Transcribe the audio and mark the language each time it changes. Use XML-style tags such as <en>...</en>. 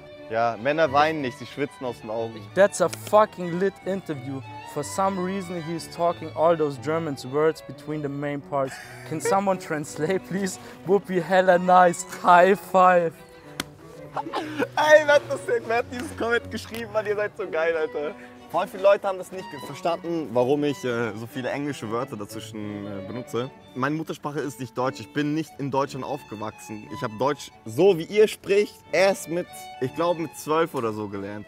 <de>Ja, Männer weinen nicht, sie schwitzen aus den Augen.</de> <en>That's a fucking lit interview. For some reason he is talking all those German words between the main parts. Can someone translate, please? Would be hella nice. High five.</en> <de>Ey, wer hat das denn? Wer hat dieses Comment geschrieben? Mann, ihr seid so geil, Alter. Voll viele Leute haben das nicht verstanden, warum ich so viele englische Wörter dazwischen benutze. Meine Muttersprache ist nicht Deutsch. Ich bin nicht in Deutschland aufgewachsen. Ich habe Deutsch, so wie ihr spricht, erst mit, ich glaube, mit 12 oder so gelernt.</de>